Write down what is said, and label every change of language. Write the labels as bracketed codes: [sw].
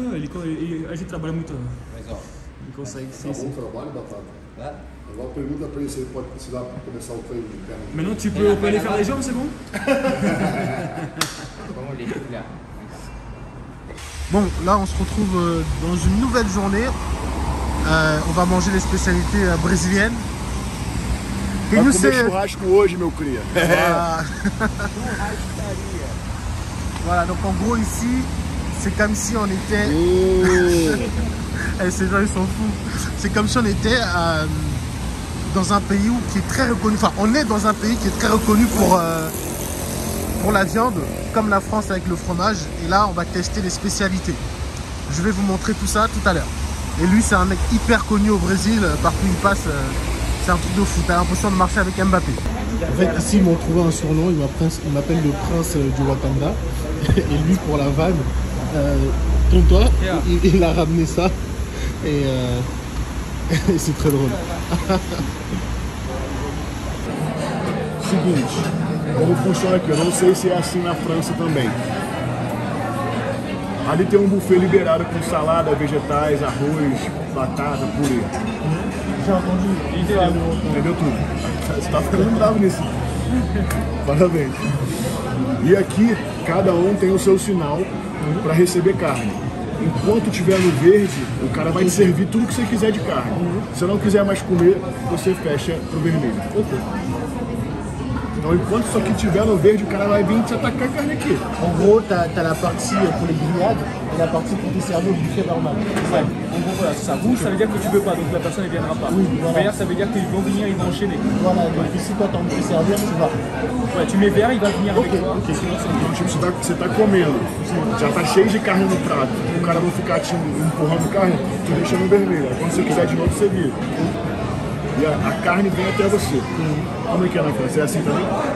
[pt] Ouais, ele trabalha muito. Mas, ó, ele consegue, sim. Bom trabalho, Batata. Hã? Agora pergunta pra ele se ele pode precisar começar o treino de perna. Mas não, tipo, eu peguei aquela região, você é bom? Vamos ali, olha. [fr] Bom, lá on se retrouve dans une nouvelle journée. On va manger les spécialités brésiliennes. [pt] Vai comer churrasco hoje, meu cria. [fr] Churrascaria. Voilà, donc en gros, ici. C'est comme si on était. Ces gens, ils s'en foutent. C'est comme si on était dans un pays où, qui est très reconnu. Enfin, on est dans un pays qui est très reconnu pour la viande, comme la France avec le fromage. Et là, on va tester les spécialités. Je vais vous montrer tout ça tout à l'heure. Et lui, c'est un mec hyper connu au Brésil. Partout où il passe, c'est un truc de fou. T'as l'impression de marcher avec Mbappé. En fait, ici, ils m'ont trouvé un surnom. Il m'appelle le prince du Wakanda. Et lui, pour la vanne. Tonton, [en] yeah. [fr] Il a ramené ça et Et c'est très drôle. [pt] Seguinte, como funciona aqui? Eu não sei se é assim na França também. Ali tem um buffet liberado com salada, vegetais, arroz, batata, purê. Entendeu tudo? Você tá ficando bravo nisso. Parabéns. E aqui, cada um tem o seu sinal para receber carne. Enquanto tiver no verde, o cara vai te servir tudo que você quiser de carne. Se não quiser mais comer, você fecha pro vermelho. Ok. Então, enquanto isso aqui estiver no verde, o cara vai vir te atacar a carne aqui. [fr] En gros, t'as la partie pour les grillades et la partie pour te servir au buffet normal. En gros, voilà, ça bouge, ça veut dire que tu veux pas, donc la personne ne viendra pas. Oui, voilà. Vert, ça veut dire qu'ils vont venir, ils vont enchaîner. Voilà, donc ici, toi, t'as envie de servir, tu vas. Ouais, tu mets vert, il va venir [en] okay. [fr] Avec toi. [pt] Ok, donc tipo, você tá comendo, já tá cheio de carne no prato, o cara vai ficar te empurrando carne, tu deixa no vermelho. Quando você quiser de novo, você vira. E a carne vem até você. Como é que é na França? É assim também?